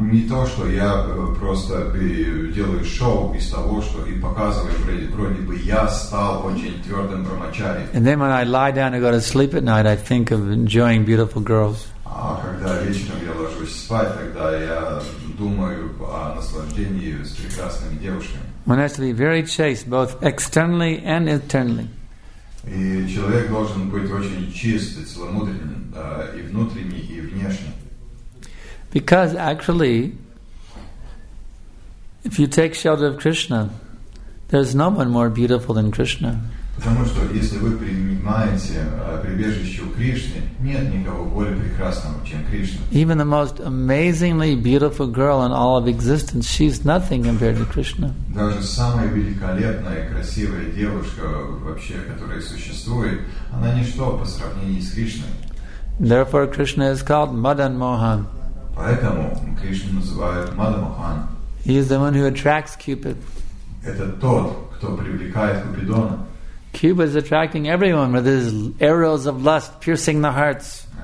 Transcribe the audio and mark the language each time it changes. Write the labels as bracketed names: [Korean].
[Russian] Не то, что я просто делаю шоу из того, что и показываю, вроде бы я стал очень твердым Брахмачари. [English] And then when I lie down and go to sleep at night, I think of enjoying beautiful girls. [Russian] А когда вечером я ложусь спать, тогда я думаю о наслаждении с прекрасными девушками. [English] One has to be very chaste, both externally and internally. [Russian] И человек должен быть очень чистый, целомудренный, и внутренний, и внешний. [English] Because actually, if you take shelter of Krishna, there's no one more beautiful than Krishna. [Russian] Потому что если вы принимаете прибежище у Кришны, нет никого более прекрасного, чем Кришна. [English] Even the most amazingly beautiful girl in all of existence, she's nothing compared to Krishna. [Russian] Даже самая великолепная и красивая девушка вообще, которая существует, она ничто по сравнению с Кришной. [English] Therefore, Krishna is called Madan Mohan. [Russian] Поэтому Кришну называют Мадан Мохан. [English] He is the one who attracts Cupid. [Russian] Это тот, кто привлекает Купидона. [English] Cupid is attracting everyone with his arrows of lust piercing the hearts.